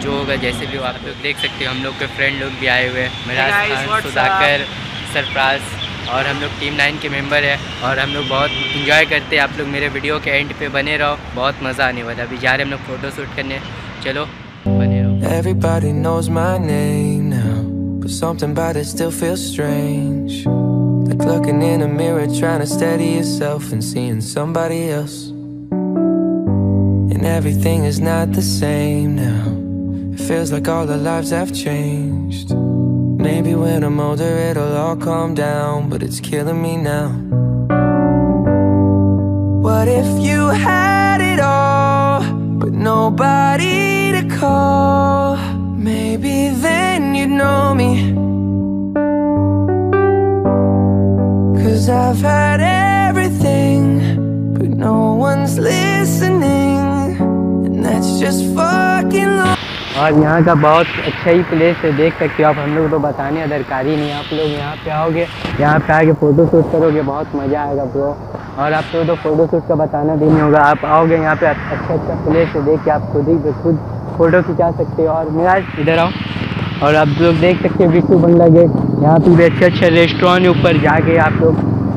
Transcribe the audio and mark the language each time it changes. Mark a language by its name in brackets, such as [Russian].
[Hindi] जो होगा जैसे भी हो, आप लोग देख सकते हो हम लोग के फ्रेंड लोग भी आए हुए हैं, मिराज खान, सुधाकर, सरफराज, और हम लोग टीम 9 के मेंबर है। और हम लोग बहुत इंजॉय करते हैं, आप लोग मेरे वीडियो के एंड पे बने रहो, बहुत मज़ा आने वाला है। अभी जा रहे हैं हम लोग फोटो शूट करने, चलो बने रहो। [English] Everybody knows my name now, but something about it still feels strange. Like looking in a mirror trying to steady yourself and seeing somebody else. And everything is not the same now. It feels like all our lives have changed. Maybe when I'm older it'll all calm down, but it's killing me now. What if you had it all, but nobody to call? Maybe then you'd know me. 'Cause I've had everything, but no one's listening. And that's just fucking long. [Hindi] और यहाँ का बहुत अच्छा ही place है, देख सकते हो आप। हम लोग तो बताने दरकारी नहीं, आप लोग यहाँ पे आओगे, यहाँ पे आके फ़ोटो शूट करोगे, बहुत मज़ा आएगा ब्रो। और आप लोग तो फ़ोटो शूट का बताना भी नहीं होगा, आप आओगे यहाँ पे, अच्छा अच्छा प्लेस है, देख के आप खुद ही खुद फ़ोटो खिंचा सकते हो। और मेरा इधर आओ, और आप लोग देख सकते हो विश्व बंगला गेट, यहाँ पे भी अच्छे अच्छे रेस्टोरेंट है, ऊपर जाके आप लोग।